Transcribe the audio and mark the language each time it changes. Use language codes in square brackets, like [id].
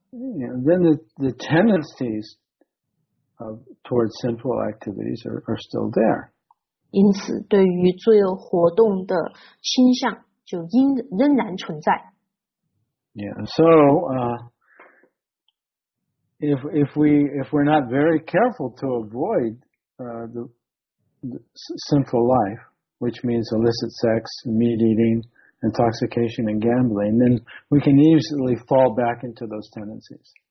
[en] Yeah, then the tendencies of towards sinful activities are still there. [zh] 因此，对于罪恶活动的倾向就仍然存在。 [en] Yeah, so if we're not very careful to avoid the sinful life, which means illicit sex, meat eating, intoxication, and gambling, then we can easily fall back into those tendencies.